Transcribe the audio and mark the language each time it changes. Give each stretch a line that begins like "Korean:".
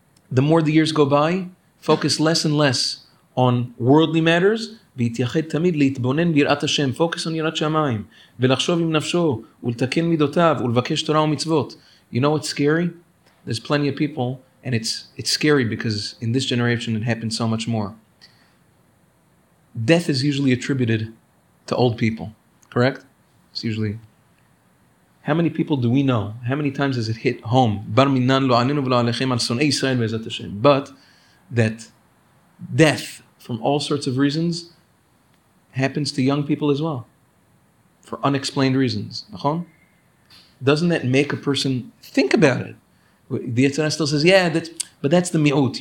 English: The more the years go by, focus less and less on worldly matters.
Hebrew: ויתייחד תמיד להתבונן ביראת השם,
English: focus on
Hebrew: יראת שמיים, ולחשוב עם נפשו, ולתקן מידותיו, ולבקש תורה ומצוות.
English: You know what's scary? There's plenty of people, and it's scary because in this generation it happens so much more. Death is usually attributed to old people, correct? It's usually... How many people do we know? How many times has it hit home?
Hebrew: בר מינן לא ענינו ולא עליכם על שונאי ישראל ועזרת השם.
English: But that death, from all sorts of reasons, happens to young people as well, for unexplained reasons. Nachon? Doesn't that make a person think about it? The Yetzer still says, yeah, but that's the mi'ut.